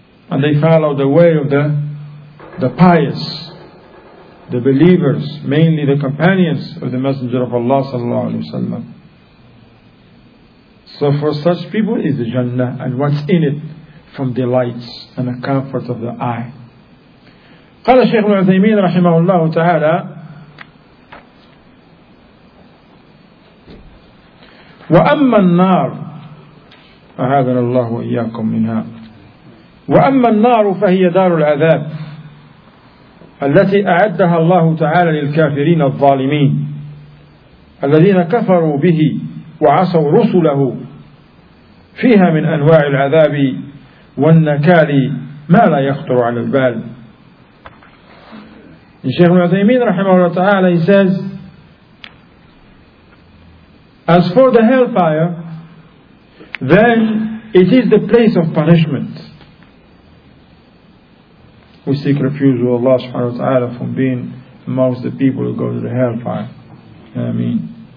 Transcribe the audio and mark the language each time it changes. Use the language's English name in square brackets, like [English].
[English] And they follow the way of the pious, the believers, mainly the companions of the messenger of Allah sallallahu alayhi wa sallam. So for such people is the Jannah and what's in it from delights and the comfort of the eye. [Arabic] قال الشيخ العثيمين رحمه الله تعالى وأما النار أعاذنا الله وإياكم منها وأما النار فهي دار العذاب التي أعدها الله تعالى للكافرين الظالمين الذين كفروا به وعصوا رسله فيها من أنواع العذاب والنكال ما لا يخطر على البال. [English] And Shaykh Al-Uthaymeen rahimahullah ta'ala, he says, as for the hellfire, then it is the place of punishment. We seek refuge with Allah subhanahu wa ta'ala from being amongst the people who go to the hellfire. Ameen.